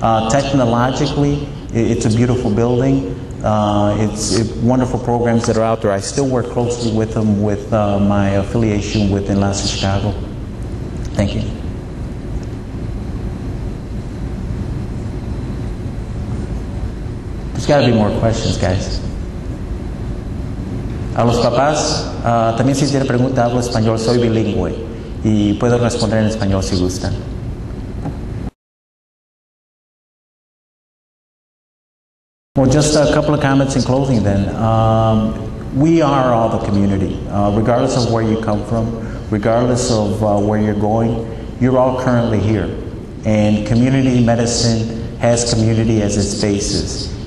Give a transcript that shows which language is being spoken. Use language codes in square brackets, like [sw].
[en] Technologically, it's a beautiful building. It's wonderful programs that are out there. I still work closely with them with my affiliation with Enlace Chicago. Thank you. There's got to be more questions, guys. [es] A los papás, también si tiene pregunta, hablo español, soy bilingüe. Y puedo responder en español si gustan. [en] Well, just a couple of comments in closing then. We are all the community. Regardless of where you come from, regardless of where you're going, you're all currently here. And community medicine has community as its basis.